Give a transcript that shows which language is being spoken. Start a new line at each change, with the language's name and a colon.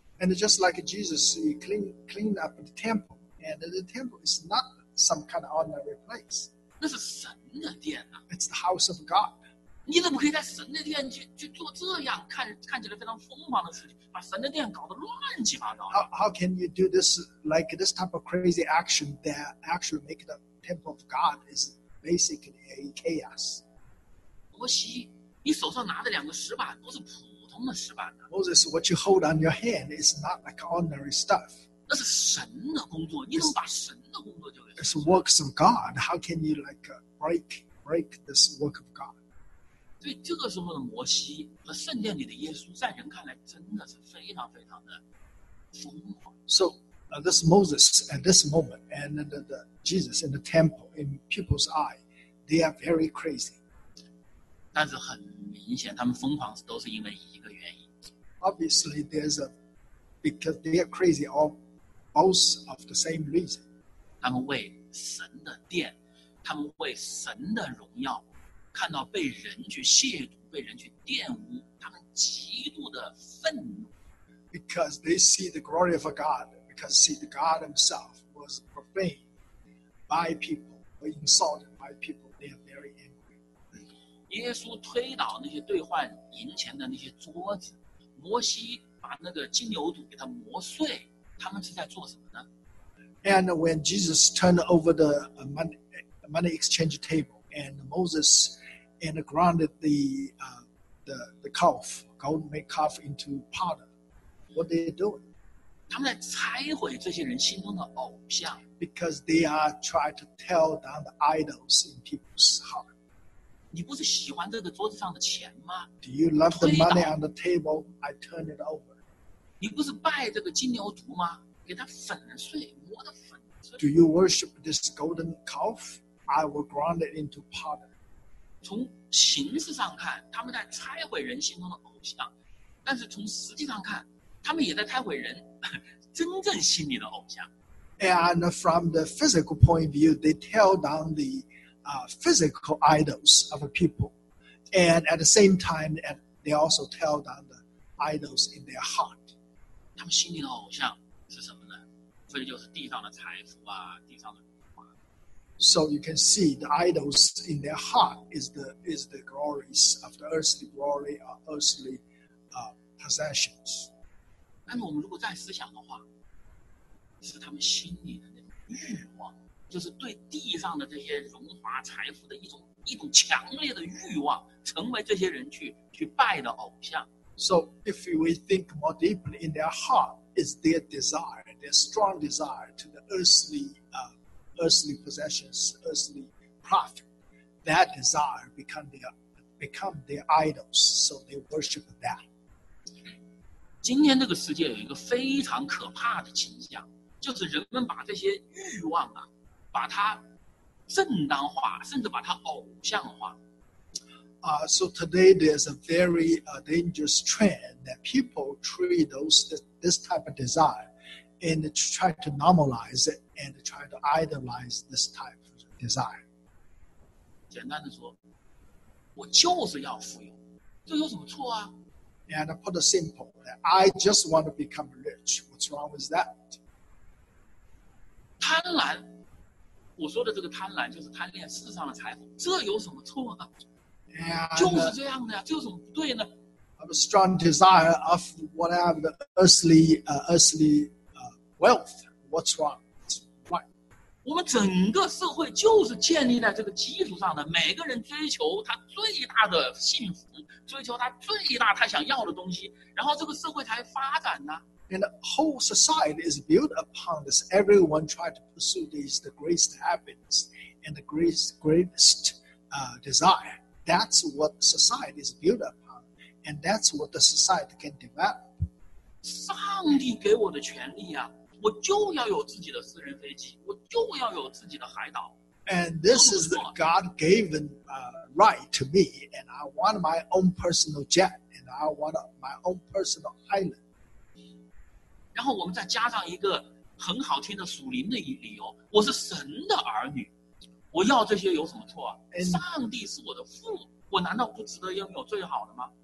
English: And just like Jesus, he cleaned up the temple, and the temple is not. Some kind of ordinary place.
Chinese: 那是神的殿啊。
English: It's the house of God.
Chinese: 你怎么可以在神的殿去做这样看起来非常疯狂的事情，把神的殿搞得乱七八糟
English: ？How can you do this like this type of crazy action that actually make the temple of God is basically a chaos?
Chinese: 摩西，你手上拿的两个石板不是普通的石板的。
English: Moses, what you hold on your hand is not like ordinary stuff.
Chinese: 那是神的工作，你怎么把神的工作就给
English: ？It's works of God. How can you like break this work of God?
Chinese: 对，这个时候的摩西和圣殿里的耶稣，在人看来真的是非常非常的疯狂。
English: So this Moses at this moment and the Jesus in the temple in people's eye, they are very crazy.
Chinese: 但是很明显，他们疯狂都是因为一个原因。
English: Obviously, there's a because they are crazy all. Both of the same reason.
Chinese: 他们为神的殿，他他们为神的荣耀看到被人去亵渎，被人去玷污，他们极度的愤怒。
English: Because they see the glory of God, because see the God himself was profaned by people or insulted by people, they are very angry.
Chinese: 耶稣推倒那些兑换银钱的那些桌子，摩西把那个金牛犊给他磨碎，他们是在做什么呢？
English: And when Jesus turned over the money exchange table, and Moses and grounded the calf, golden made calf into powder, what they doing?
Chinese: 他们在拆毁这些人心中的偶像。
English: Because they are trying to tear down the idols in people's heart.
Chinese: 你不是喜欢这个桌子上的钱吗？
English: Do you love the money on the table? I turn it over.
Chinese: 你不是拜这个金牛犊吗？给它粉碎，磨得粉碎。
English: Do you worship this golden calf? I will ground it into powder.
Chinese: 从形式上看，他们在拆毁人心中的偶像，但是从实际上看，他们也在拆毁人真正心里的偶像。
English: And from the physical point of view, they tear down the physical idols of a people. And at the same time, they also tear down the idols in their heart.
Chinese: 他们心里的偶像是什么呢？所以就是地上的财富啊，地上的荣华。
English: So you can see the idols in their heart is the glories of the earthly glory or earthly possessions.
Chinese: 但是我们如果再思想的话，是他们心里的那种欲望，就是对地上的这些荣华财富的一种强烈的欲望，成为这些人去拜的偶像。
English: So if we think more deeply in their heart, is their desire, their strong desire to the earthly possessions, earthly profit. That desire become their idols, so they worship that.
Chinese: 今天这个世界有一个非常可怕的倾向，就是人们把这些欲望啊，把它正当化，甚至把它偶像化。
English: So today there's a very dangerous trend that people treat this type of desire and try to normalize it and try to idolize this type of desire.
Chinese: 简单的说，我就是要富有，这有什么错啊？
English: And I put it simple, that I just want to become rich. What's wrong with that?
Chinese: 贪婪，我说的这个贪婪就是贪恋世上的财富，这有什么错啊？
English: Have a strong desire of whatever the earthly wealth. What's wrong? Why?
Chinese: 我们整个社会就是建立在这个基础上的，每个人追求他最大的幸福，追求他最大他想要的东西，然后这个社会才发展呢。
English: And the whole society is built upon this. Everyone tried to pursue the greatest happiness and the greatest desire. That's what society is built upon, and that's what the society can develop.
Chinese: 上帝给我的权利啊，我就要有自己的私人飞机，我就要有自己的海岛。
English: And this is the God-given right to me, and I want my own personal jet, and I want my own personal island.
Chinese: 然后我们再加上一个很好听的属灵的理由，我是神的儿女。我要这些有什么错啊？
English: And,
Chinese: 上帝是我的父，我难道不值得拥有最好的吗？